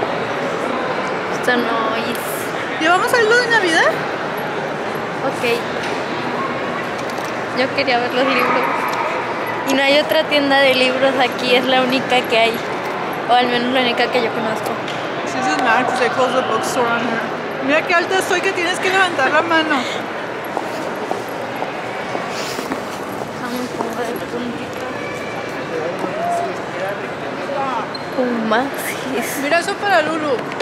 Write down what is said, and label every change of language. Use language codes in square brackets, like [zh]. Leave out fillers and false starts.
[es] Niños. Esto no es. ¿Llevamos algo de Navidad? Ok. Yo quería ver los libros. Y no hay otra tienda de libros aquí, es la única que hay. O al menos la única que yo conozco. [en] This is mad because they closed the bookstore on here. [es] Mira qué alta estoy que tienes que levantar la mano. Más. Mira eso para Lulu.